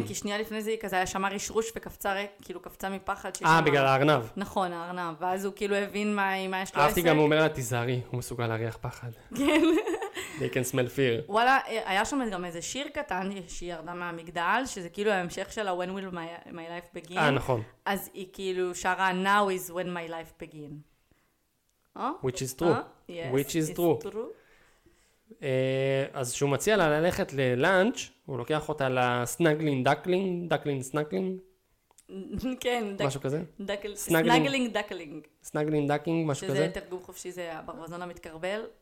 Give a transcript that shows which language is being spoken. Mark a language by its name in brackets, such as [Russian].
[Hebrew] כן, כי שנייה לפני זה היא כזה, היה שמר ישרוש וקפצה, כאילו, קפצה מפחד. בגלל הארנב. נכון, הארנב. ואז הוא כאילו הבין מה יש לו עסק. אהבתי גם, הוא אומר לה, תיזהרי, הוא מסוגל להריח פחד. כן. [English] They can smell fear. [Hebrew] וואלה, היה שם גם איזה שיר קטן שהיא ירדה מהמגדל, שזה כאילו ההמשך שלה, [English] When will my life begin? [Hebrew] נכון. אז היא כאילו שרה, [English] Now is when my life begin. Which is true. Yes, which is true. [Hebrew] אז שהוא מציע לה ללכת ללאנץ', הוא לוקח אותה לסנגלין דקלינג, דקלינג סנגלינג. כן. משהו כזה? סנגלינג דקלינג. סנגלינג דקינג, משהו כזה? שזה תרגום חופשי, זה הברווזון המתקרבל.